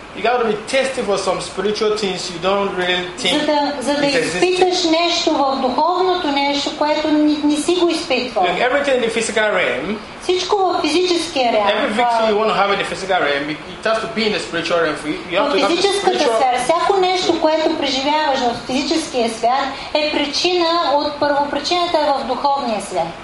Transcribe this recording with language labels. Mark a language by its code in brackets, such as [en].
[en] You got to be tested for some spiritual things you don't really think. [bg] За да изпиташ нещо в духовното нещо, което не си го изпитвал. [en] Like everything in the physical realm. [bg] Всичко в физическия реал. [en] Every victory you want to have in the physical realm, it has to be in the spiritual realm. [bg] Физическата сфера, всяко нещо, което преживяваш в физическия свят, е причина от първопричината в духовния свят.